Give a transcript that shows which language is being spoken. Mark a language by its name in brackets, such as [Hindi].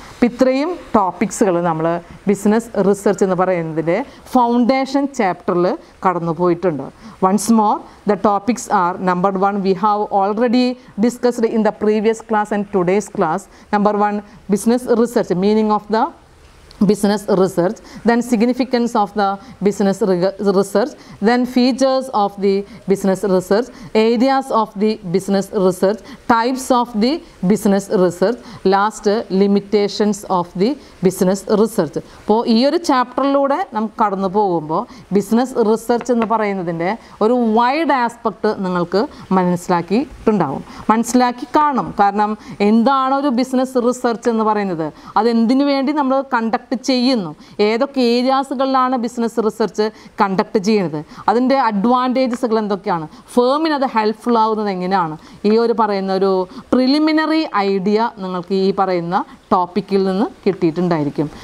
[Malayalam] അപ്പം ഇത്രയും ടോപ്പിക്സുകൾ നമ്മൾ ബിസിനസ് റിസർച്ച് എന്ന് പറയുന്നതിൻ്റെ ഫൗണ്ടേഷൻ ചാപ്റ്ററിൽ കടന്നു പോയിട്ടുണ്ട്. [English] Once more, the topics are: number one, we have already discussed in the previous class and today's class. Number one, business research meaning of the business research, then significance of the business research, then features of the business research, areas of the business research, types of the business research, last limitations of the business research. [Malayalam] അപ്പോൾ ഈ ഒരു ചാപ്റ്ററിലൂടെ നമുക്ക് കടന്നു പോകുമ്പോൾ business research എന്ന് പറയുന്നതിൻ്റെ ഒരു wide aspect നിങ്ങൾക്ക് മനസ്സിലാക്കിയിട്ടുണ്ടാവും, മനസ്സിലാക്കി കാണും. കാരണം എന്താണ് ഒരു ബിസിനസ് റിസർച്ച് എന്ന് പറയുന്നത്, അതെന്തിനു വേണ്ടി നമ്മൾ കണ്ടക്ട് ചെയ്യുന്നു, ഏതൊക്കെ ഏരിയാസുകളിലാണ് ബിസിനസ് റിസർച്ച് കണ്ടക്ട് ചെയ്യുന്നത്, അതിൻ്റെ അഡ്വാൻറ്റേജസുകൾ എന്തൊക്കെയാണ്, ഫേമിന് അത് ഹെൽപ്ഫുൾ ആവുന്നത് എങ്ങനെയാണ്, ഈ ഒരു പറയുന്ന ഒരു പ്രിലിമിനറി ഐഡിയ നിങ്ങൾക്ക് ഈ പറയുന്ന ടോപ്പിക്കിൽ നിന്ന് കിട്ടിയിട്ടുണ്ടായിരിക്കും.